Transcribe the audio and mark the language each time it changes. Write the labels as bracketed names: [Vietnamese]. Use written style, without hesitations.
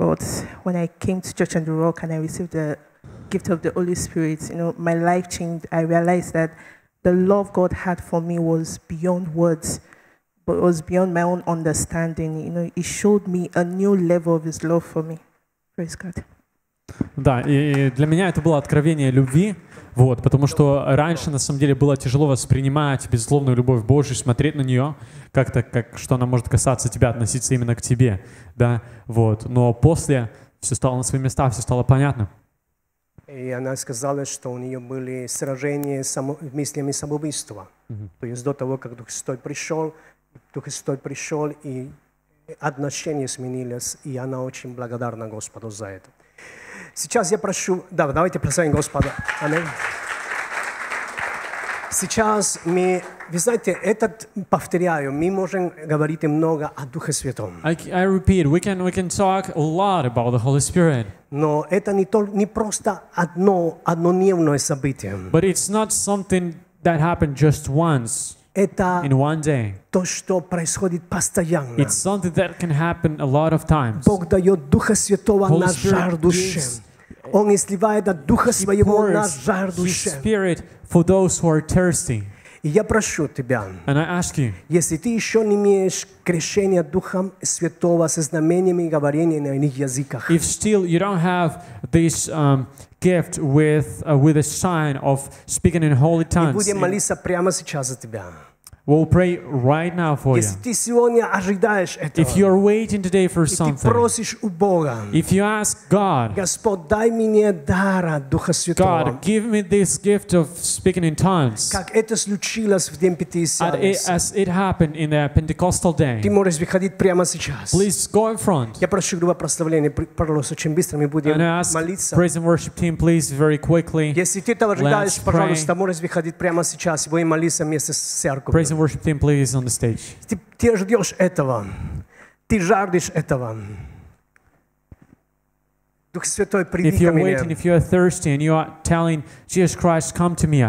[English] But when I came to Church on the Rock and I received the gift of the Holy Spirit, you know, my life changed. I realized that the love God had for me was beyond words, but it was beyond my own understanding. You know, He showed me a new level of His love for me. Praise God. [Russian] Да, и для меня это было откровение любви, вот, потому что раньше на самом деле было тяжело воспринимать безусловную любовь Божию, смотреть на нее как-то, как что она может касаться тебя, относиться именно к тебе, да, вот. Но после все стало на свои места, все стало понятно. И она сказала, что у нее были сражения с мыслями самоубийства. Mm-hmm. То есть до того, как Дух Святой пришел, и отношения сменились, и она очень благодарна Господу за это. Сейчас я прошу... Да, давайте прославим Господа. Аминь. Сейчас мы... Вы знаете, этот, повторяю, мы можем говорить много о Духе Святом. [English] I repeat, we can talk a lot about the Holy Spirit. [Russian] Но это не просто одно однодневное событие. [English] But it's not something that happened just once. [Russian] Это [English] in one day. [Russian] То, что происходит постоянно. [English] It's something that can happen a lot of times. [Russian] Бог дает Духа Святого на жаждущим. Он изливает от Духа Своего на жаждущим. [English] He pours His Spirit for those who are thirsty. [Russian] И я прошу тебя, [English] and I ask you, [Russian] если ты еще не имеешь крещения Духом Святого со знамениями и говорением на иных языках, [English] if still you don't have this gift with a sign of speaking in holy tongues, [Russian] мы будем молиться прямо сейчас за тебя. [English] We'll pray right now for [Russian] если ты сегодня ожидаешь этого, [English] if you are waiting today for something, [Russian] и ты просишь у Бога, [English] if you ask God, [Russian] Господь, дай мне дара Духа Святого, [English] God, give me this gift of speaking in tongues, [Russian] как это случилось в день Пятидесятницы, [English] as it happened in the Pentecostal day, [Russian] ты можешь выходить прямо сейчас, [English] please go in front, [Russian] я прошу группу прославления, пожалуйста, очень быстро, мы будем молиться, [English] and I ask the praise and worship team, please, very quickly, [Russian] если ты этого ожидаешь, пожалуйста, можешь выходить прямо сейчас, и будем молиться вместе с церковью. [English] Praise and worship team, please, on the stage. [Russian] Ты ждешь этого. Ты жаждешь этого. Дух Святой, приди ко мне. [English] If you're waiting, if you are thirsty, and you are telling Jesus Christ, come to me.